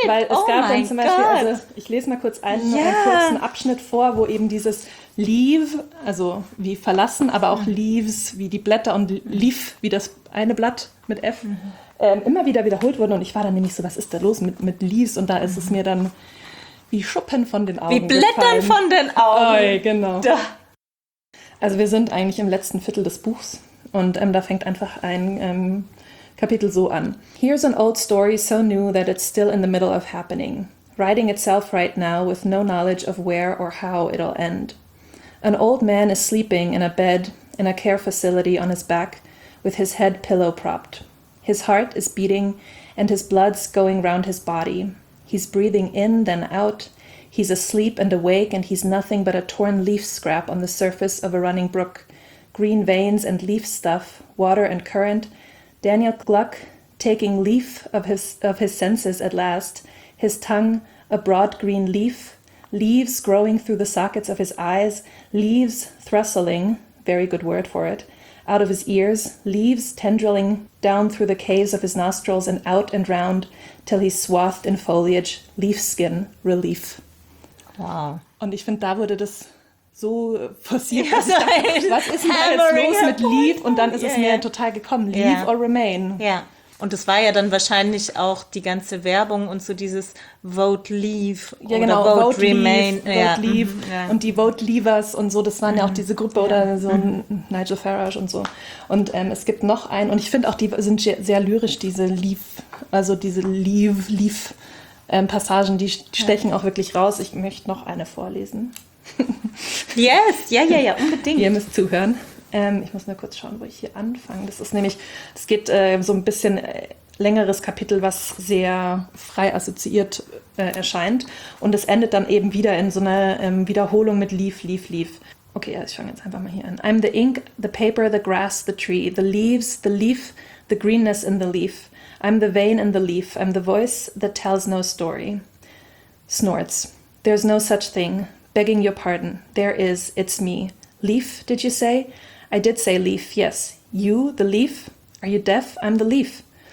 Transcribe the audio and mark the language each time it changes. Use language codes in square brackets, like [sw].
[de] Weil es gab dann zum Beispiel, also ich lese mal kurz einen kurzen Abschnitt vor, wo eben dieses Leave, also wie verlassen, aber auch Leaves wie die Blätter und Leaf wie das eine Blatt mit F, immer wieder wiederholt wurden. Und ich war dann nämlich so, was ist da los mit Leaves? Und da ist es mir dann wie Schuppen von den Augen. Wie Blättern gefallen. Von den Augen. Oh, genau. Da. Also wir sind eigentlich im letzten Viertel des Buchs und da fängt einfach ein Kapitel so an. [en] Here's an old story so new that it's still in the middle of happening. Writing itself right now with no knowledge of where or how it'll end. An old man is sleeping in a bed in a care facility on his back with his head pillow propped. His heart is beating and his blood's going round his body. He's breathing in, then out. He's asleep and awake and he's nothing but a torn leaf scrap on the surface of a running brook. Green veins and leaf stuff, water and current. Daniel Gluck taking leaf of his senses at last. His tongue a broad green leaf. Leaves growing through the sockets of his eyes, leaves thrustling, very good word for it, out of his ears, leaves tendrilling down through the caves of his nostrils and out and round till he's swathed in foliage, leaf skin, relief. Wow. [de] Und ich finde, da wurde das so passiert. Ja, so was ist denn da jetzt los mit leaf? Und dann ist es mir total gekommen, [en] leave or remain. [de] Ja. [en] Yeah. [de] Und es war ja dann wahrscheinlich auch die ganze Werbung und so dieses Vote Leave Vote Remain. Leave, ja. Vote Leave und die Vote Leavers und so, das waren ja auch diese Gruppe oder so ein Nigel Farage und so. Und es gibt noch einen, und ich finde auch, die sind sehr lyrisch, diese Leave, also diese Leave-Passagen, die stechen auch wirklich raus. Ich möchte noch eine vorlesen. [en] Yes, [de] unbedingt. Ihr müsst zuhören. Ich muss nur kurz schauen, wo ich hier anfange. Das ist nämlich, es geht so ein bisschen längeres Kapitel, was sehr frei assoziiert erscheint. Und es endet dann eben wieder in so einer Wiederholung mit Leaf, Leaf, Leaf. Okay, ja, ich fange jetzt einfach mal hier an. [en] I'm the ink, the paper, the grass, the tree, the leaves, the leaf, the greenness in the leaf. I'm the vein in the leaf. I'm the voice that tells no story. Snorts. There's no such thing. Begging your pardon. There is. It's me. Leaf, did you say? I did say leaf, yes. You, the leaf? Are you deaf? I'm the leaf.